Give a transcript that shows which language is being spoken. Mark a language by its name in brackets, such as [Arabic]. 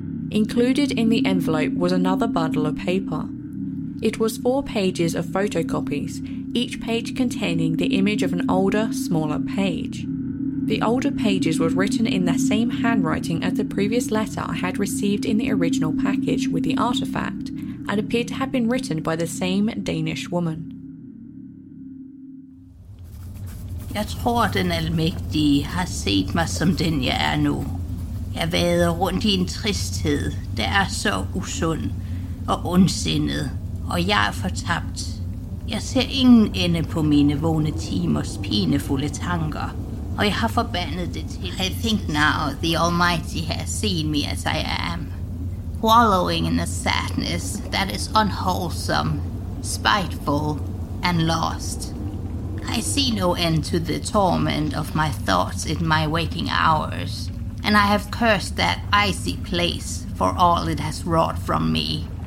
[English] Included in the envelope was another bundle of paper. It was four pages of photocopies, each page containing the image of an older, smaller page. The older pages were written in the same handwriting as the previous letter I had received in the original package with the artifact, and appeared to have been written by the same Danish woman. [Danish] Jeg tror, den almægtige har set mig som den jeg er nu. Jeg vader rundt i en tristhed, der er så usund og ondsindet, og jeg er fortabt. Jeg ser ingen ende på mine vågne timers pinefulde tanker, og jeg har forbandet det til. [English] I think now the Almighty has seen me as I am, wallowing in a sadness that is unwholesome, spiteful, and lost. I see no end to the torment of my thoughts in my waking hours, and I have cursed that icy place for all it has wrought from me.